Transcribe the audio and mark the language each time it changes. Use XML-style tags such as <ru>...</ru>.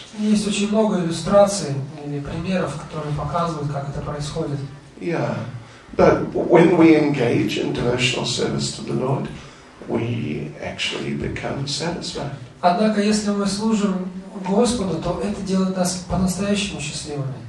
<ru>Есть очень много иллюстраций или примеров, которые показывают, как это происходит.</ru> <en>Yeah, but when we engage in devotional service to the Lord, we actually become satisfied.</en> <ru>Однако, если мы служим Господу, то это делает нас по-настоящему счастливыми.</ru>